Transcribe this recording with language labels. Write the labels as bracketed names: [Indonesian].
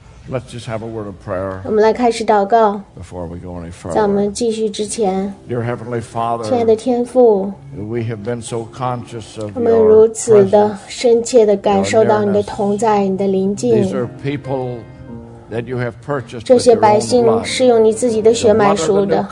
[English] Let's just have a word of prayer. [Chinese] 我们来开始祷告。 [English] Before we go any further, [Chinese] 在我们继续之前。 [English] Dear Heavenly Father, [Chinese] 亲爱的天父。 [English] We have been so conscious of. [Chinese] 我们如此的深切的感受到你的同在，你的临近。 [English] These are people that you have purchased. [Chinese] 这些百姓是用你自己的血买赎的。